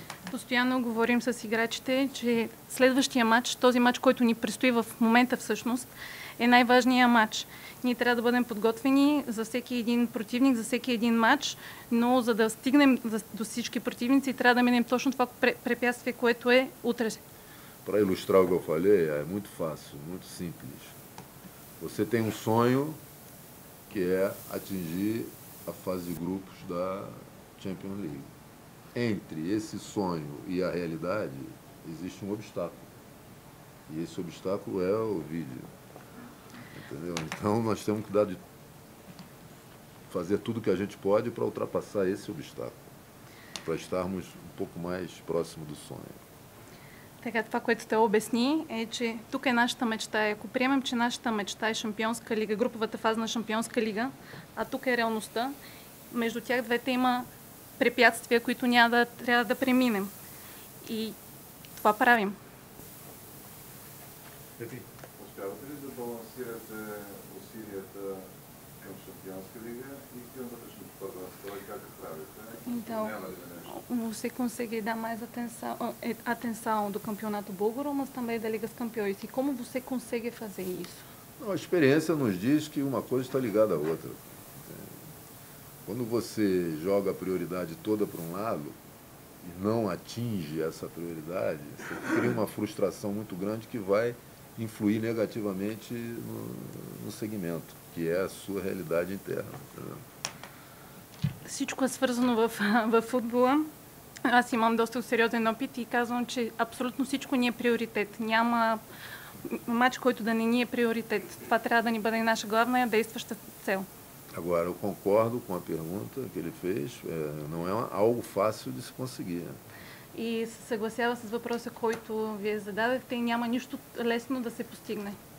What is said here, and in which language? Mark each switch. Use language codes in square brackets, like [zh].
[bg] Постоянно говорим с играчите, че следващия матч, този матч, който ни предстои в момента всъщност, е най-важният матч. Ние трябва да бъдем подготвени за всеки един противник, за всеки един матч, но за да стигнем до всички противници, трябва да минем точно това препятствие, което е утре. [pt] Para ilustrar o que eu falei, é muito fácil, muito simples. Você tem sonho que é atingir a fase de grupos da Champions League. Entre esse sonho e a realidade, existe obstáculo. E esse obstáculo é o vídeo. Entendeu? Então nós temos que fazer tudo que a gente pode para ultrapassar esse obstáculo. Para estarmos pouco mais próximo do sonho. [bg] Така, това, което те обясни, е, че тук е нашата мечта. Ако приемем, че нашата мечта е Шампионска лига, груповата фаза на Шампионска лига, а тук е реалността, между тях двете има препятствия, които няма да трябва да преминем. И това правим. Ефи, успявате ли да балансирате усилията към Шампионска лига и към вътрешното първенство? И как правите? [pt] Então, você consegue dar mais atenção do Campeonato Búlgaro, mas também da Liga dos Campeões. E como você consegue fazer isso? A experiência nos diz que uma coisa está ligada à outra. Quando você joga a prioridade toda para um lado e não atinge essa prioridade, você cria uma frustração muito grande que vai influir negativamente no segmento, que é a sua realidade interna. [bg] Всичко е свързано в футбола. Аз имам доста сериозен опит и казвам, че абсолютно всичко ни е приоритет. Няма матч, който да не ни е приоритет. Това трябва да ни бъде наша главна и действаща цел. [pt] Agora, eu concordo com a pergunta que ele fez. Não é algo fácil de se conseguir. [bg] И се съгласява с въпроса, който вие зададете, и няма нищо лесно да се постигне.